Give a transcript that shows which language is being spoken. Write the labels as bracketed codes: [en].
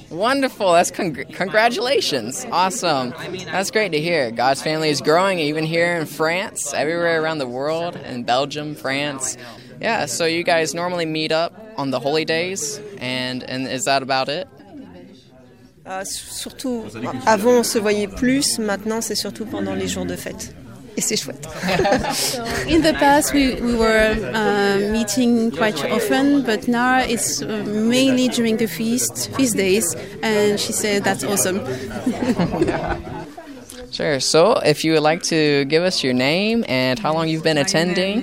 [en] Wonderful. That's congratulations. Awesome. That's great to hear. God's family is growing even here in France, everywhere around the world, in Belgium, France. Yeah, so you guys normally meet up on the holy days, and is that about it? [fr] Surtout, avant on se voyait plus, maintenant c'est surtout pendant les jours de fête. Et c'est chouette. [en] In the past, we were meeting quite often, but now it's mainly during the feast days, and she said that's awesome. Sure. So, if you would like to give us your name and how long you've been attending.